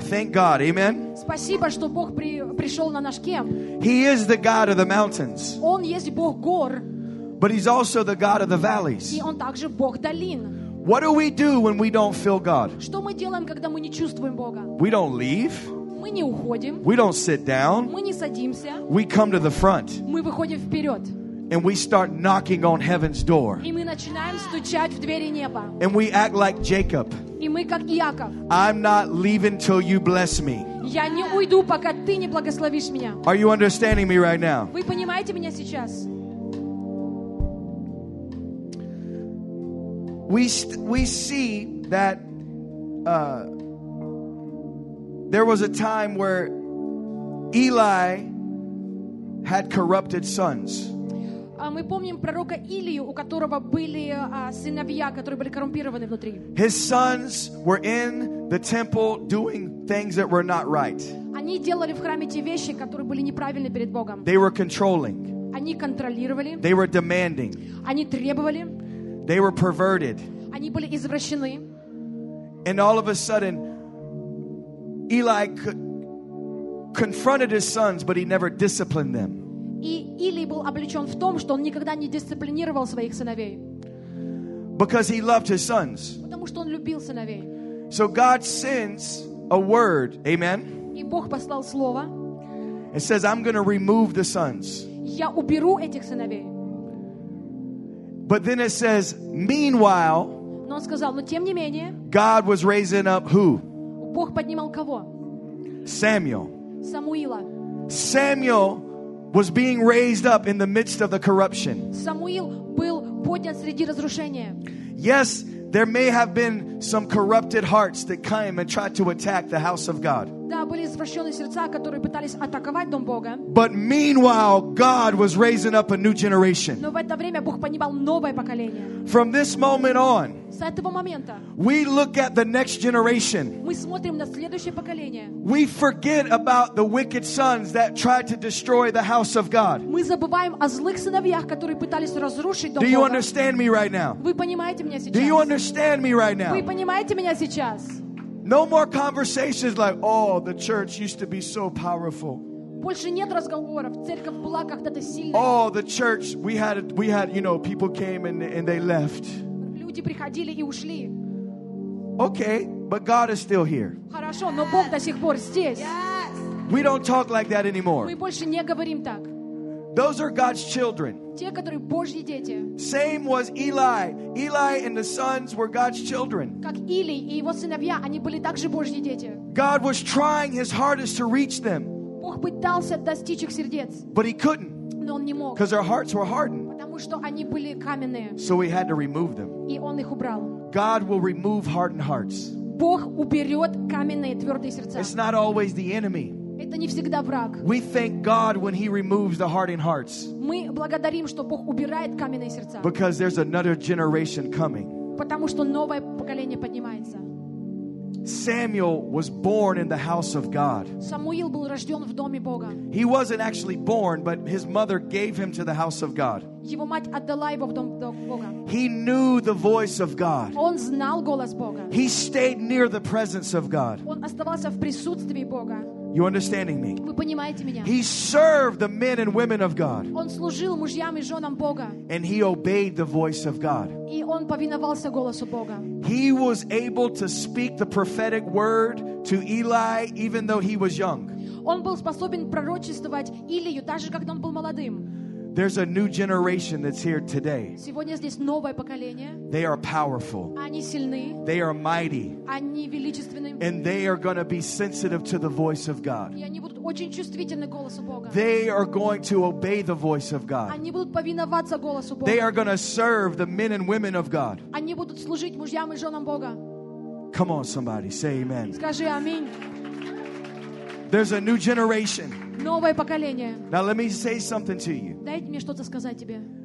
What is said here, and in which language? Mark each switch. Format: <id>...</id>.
<en>Thank God, Amen.</en> <ru>Спасибо, что Бог пришел на наш кемп.</ru> <en>He is the God of the mountains.</en> <ru>Он есть Бог гор.</ru> <en>But He's also the God of the valleys.</en> <ru>И он также Бог долин.</ru> <en>What do we do when we don't feel God?</en> <ru>Что мы делаем, когда мы не чувствуем Бога?</ru> <en>We don't leave.</en> <ru>Мы не уходим.</ru> <en>We don't sit down.</en> <ru>Мы не садимся.</ru> <en>We come to the front.</en> <ru>Мы выходим вперед.</ru> <en>And we start knocking on heaven's door.</en> <ru>И мы начинаем стучать в двери неба.</ru> <en>And we act like Jacob.</en> <ru>И мы как Яков.</ru> <en>I'm not leaving till you bless me.</en> <ru>Я не уйду, пока ты не благословишь меня.</ru> <en>Are you understanding me right now?</en> <ru>Вы понимаете меня сейчас?</ru> <en>We see that there was a time where Eli had corrupted sons.</en> <ru>Мы помним пророка Илию, у которого были сыновья, которые были коррумпированы внутри.</ru> <en>His sons were in the temple doing things that were not right.</en> <ru>Они делали в храме те вещи, которые были неправильны перед Богом.</ru> <en>They were controlling.</en> <ru>Они контролировали.</ru> <en>They were demanding.</en> <ru>Они требовали.</ru> <en>They were perverted.</en> <ru>Они были извращены.</ru> <en>And all of a sudden, Eli confronted his sons, but he never disciplined them.</en> <ru>И Илий был облечен в том, что он никогда не дисциплинировал своих сыновей.</ru> <en>Because he loved his sons.</en> <ru>Потому что он любил сыновей.</ru> <en>So God sends a word, amen.</en> <ru>И Бог послал слово.</ru> <en>It says, "I'm going to remove the sons."</en> <ru>Я уберу этих сыновей.</ru> <en>But then it says, "Meanwhile."</en> <ru>Но он сказал, но тем не менее.</ru> <en>God was raising up who?</en> <ru>Бог поднимал кого?</ru> <en>Samuel.</en> <ru>Самуила.</ru> <en>Samuel was being raised up in the midst of the corruption.</en> <ru>Самуил был поднят среди разрушения.</ru> <en>Yes. There may have been some corrupted hearts that came and tried to attack the house of God.</en> <ru>Да, были извращённые сердца, которые пытались атаковать дом Бога.</ru> <en>But meanwhile, God was raising up a new generation.</en> <ru>Но в это время Бог поднимал новое поколение.</ru> <en>From this moment on,</en> <ru>с этого момента,</ru> <en>we look at the next generation.</en> <ru>Мы смотрим на следующее поколение.</ru> <en>We forget about the wicked sons that tried to destroy the house of God.</en> <ru>Мы забываем о злых сыновьях, которые пытались разрушить дом Бога.</ru> <en>Do you understand me right now?</en> <ru>Вы понимаете меня сейчас?</ru> <en>Do you understand me right now?</en> <ru>Вы понимаете меня сейчас?</ru> <en>No more conversations like, "Oh, the church used to be so powerful."</en> <ru>Больше нет разговоров. Церковь была когда-то сильной.</ru> <en>Oh, the church, we had, you know, people came and they left.</en> <ru>Люди приходили и ушли.</ru> <en>Okay, but God is still here.</en> <ru>Хорошо, но Бог до сих пор здесь.</ru> <en>Yes. We don't talk like that anymore.</en> <ru>Мы больше не говорим так.</ru> <en>Those are God's children.</en> <ru>Те, которые Божьи дети.</ru> <en>Same was Eli. Eli and the sons were God's children.</en> <ru>Как Илий и его сыновья, они были также Божьи дети.</ru> <en>God was trying his hardest to reach them.</en> <ru>Бог пытался достичь их сердец.</ru> <en>But he couldn't.</en> <ru>Но он не мог.</ru> <en>Because their hearts were hardened.</en> <ru>Потому что они были каменные.</ru> <en>So he had to remove them.</en> <ru>И он их убрал.</ru> <en>God will remove hardened hearts.</en> <ru>Бог уберет каменные твердые сердца.</ru> <en>It's not always the enemy.</en> <ru>Это не всегда враг.</ru> <en>We thank God when He removes the hardened hearts.</en> <ru>Мы благодарим, что Бог убирает каменные сердца.</ru> <en>Because there's another generation coming.</en> <ru>Потому что новое поколение поднимается.</ru> <en>Samuel was born in the house of God.</en> <ru>Самуил был рожден в доме Бога.</ru> <en>He wasn't actually born, but his mother gave him to the house of God.</en> <ru>Его мать отдала его в дом Бога.</ru> <en>He knew the voice of God.</en> <ru>Он знал голос Бога.</ru> <en>He stayed near the presence of God.</en> <ru>Он оставался в присутствии Бога.</ru> <en>You understanding me?</en> <ru>Вы понимаете меня?</ru> <en>He served the men and women of God.</en> <ru>Он служил мужьям и женам Бога.</ru> <en>And he obeyed the voice of God.</en> <ru>И он повиновался голосу Бога.</ru> <en>He was able to speak the prophetic word to Eli even though he was young.</en> <ru>Он был способен пророчествовать Илию даже когда он был молодым.</ru> <en>There's a new generation that's here today.</en> <ru>Сегодня здесь новое поколение.</ru> <en>They are powerful.</en> <ru>Они сильны.</ru> <en>They are mighty.</en> <ru>Они величественны.</ru> <en>And they are going to be sensitive to the voice of God.</en> <ru>И они будут очень чувствительны голосу Бога.</ru> <en>They are going to obey the voice of God.</en> <ru>Они будут повиноваться голосу Бога.</ru> <en>They are going to serve the men and women of God.</en> <ru>Они будут служить мужьям и женам Бога.</ru> <en>Come on, somebody, say amen.</en> <ru>Скажи аминь.</ru> <en>There's a new generation.</en> <ru>Новое поколение.</ru> <en>Now let me say something to you.</en> <ru>Дайте мне что-то сказать тебе.</ru>